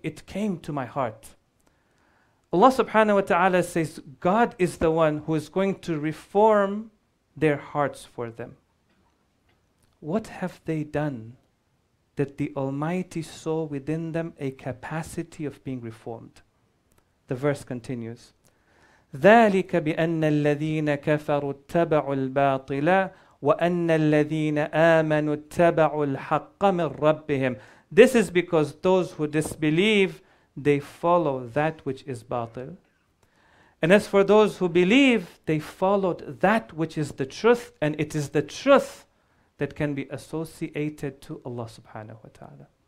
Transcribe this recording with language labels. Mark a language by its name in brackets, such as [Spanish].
[English] It came to my heart. Allah subhanahu wa ta'ala says, God is the one who is going to reform their hearts for them. What have they done that the Almighty saw within them a capacity of being reformed? The verse continues, [Arabic] ذَلِكَ بِأَنَّ الَّذِينَ كَفَرُوا اتَّبَعُوا الْبَاطِلَ وَأَنَّ الَّذِينَ آمَنُوا اتَّبَعُوا الْحَقَّ مِنْ رَبِّهِمْ. [English] This is because those who disbelieve, they follow that which is batil. And as for those who believe, they followed that which is the truth, and it is the truth that can be associated to Allah subhanahu wa ta'ala.